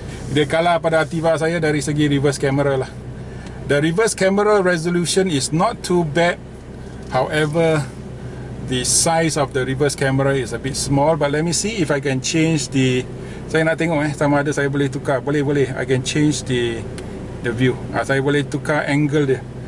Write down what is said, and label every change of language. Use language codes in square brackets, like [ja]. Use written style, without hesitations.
[ms] Dia kalah pada Ativa saya dari segi reverse camera lah. [en] The reverse camera resolution is not too bad. However, the size of the reverse camera is a bit small. But let me see if I can change the... [ms] Saya nak tengok sama ada saya boleh tukar. Boleh. [en] I can change the view. [ms] Saya boleh tukar angle dia.